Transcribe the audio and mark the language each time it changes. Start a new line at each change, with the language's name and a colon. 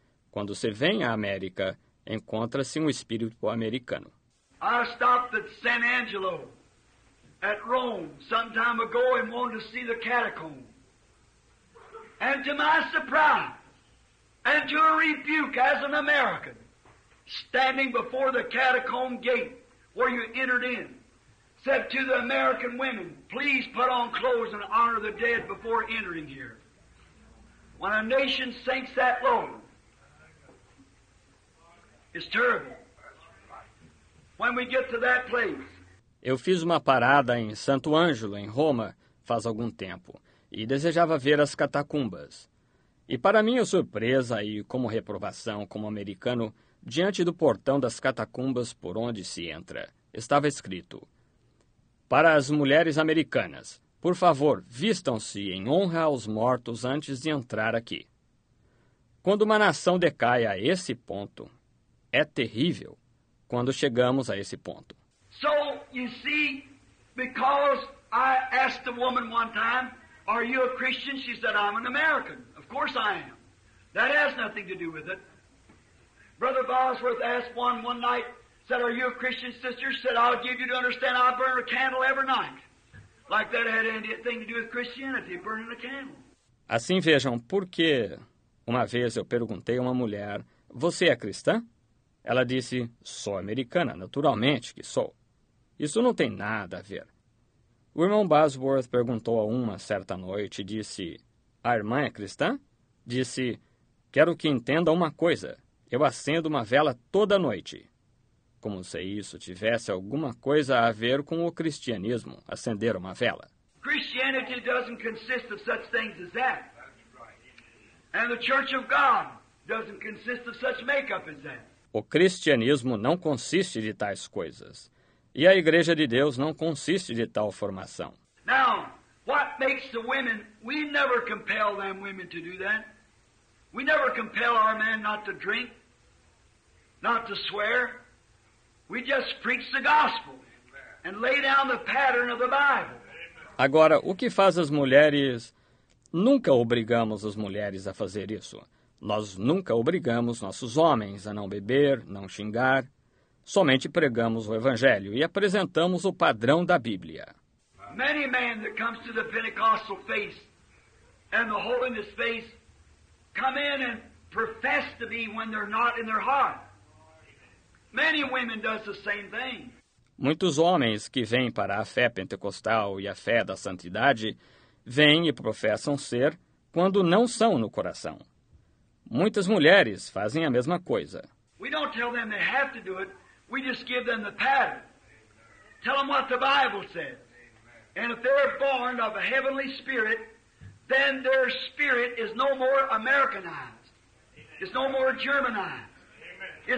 Portuguese: Quando você vem à América, encontra-se um espírito americano.
English: I stopped at San Angelo, at Rome, some time ago, and wanted to see the catacomb. And to my surprise, and to a rebuke as an American, standing before the catacomb gate where you entered in, said to the American women, please put on clothes and honor the dead before entering here. When a nation sinks that low, it's terrible. When we get to that place.
Portuguese: Eu fiz uma parada em Santo Ângelo, em Roma, faz algum tempo, e desejava ver as catacumbas. E para minha surpresa e como reprovação como americano, diante do portão das catacumbas por onde se entra, estava escrito: para as mulheres americanas, por favor, vistam-se em honra aos mortos antes de entrar aqui. Quando uma nação decai a esse ponto, é terrível quando chegamos a esse ponto.
English: So, you see, because I asked a woman one time, are you a Christian? She said, I'm an American. Of course I am. That has nothing to do with it. Brother Bosworth asked one night, said, are you a Christian, sister? She said, I'll give you to understand I burn a candle every night. Like that had anything to do with Christianity, burning a candle.
Portuguese: Assim vejam, porque uma vez eu perguntei a uma mulher, você é cristã? Ela disse, sou americana, naturalmente que sou. Isso não tem nada a ver. O irmão Bosworth perguntou a uma certa noite e disse, a irmã é cristã? Disse, quero que entenda uma coisa. Eu acendo uma vela toda noite. Como se isso tivesse alguma coisa a ver com o cristianismo, acender uma vela.
English: Christianity doesn't consist of such things as that. And the Church of God doesn't consist of such makeup as that.
Portuguese: O cristianismo não consiste de tais coisas. E a Igreja de Deus não consiste de tal formação.
English: Now, what makes the women, we never compel them women to do that. We never compel our men not to drink, not to swear. We just preach the gospel and lay down the pattern of the Bible.
Portuguese: Agora, o que faz as mulheres? Nunca obrigamos as mulheres a fazer isso. Nós nunca obrigamos nossos homens a não beber, não xingar. Somente pregamos o Evangelho e apresentamos o padrão da Bíblia.
English: Many men that comes to the Pentecostal faith and the holiness faith come in and profess to be when they're not in their heart. Many women does the same thing.
Portuguese: Muitos homens que vêm para a fé pentecostal e a fé da santidade vêm e professam ser quando não são no coração. Muitas mulheres fazem a mesma coisa.
English: We don't tell them they have to do it. We just give them the pattern. Tell them what the Bible said. And if they're born of a heavenly spirit, then their spirit is no more Americanized. It's no more German eye. Amen.